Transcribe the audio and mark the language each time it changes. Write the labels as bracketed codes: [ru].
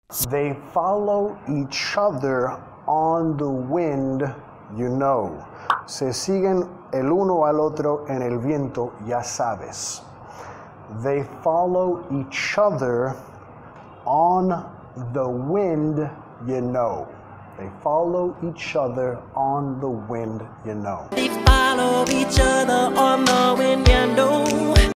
[en] They follow each other on the wind, you know. [es] Se siguen el uno al otro en el viento, ya sabes. [en] They follow each other on the wind, you know. They follow each other on the wind, you know. They follow each other on the wind, you know.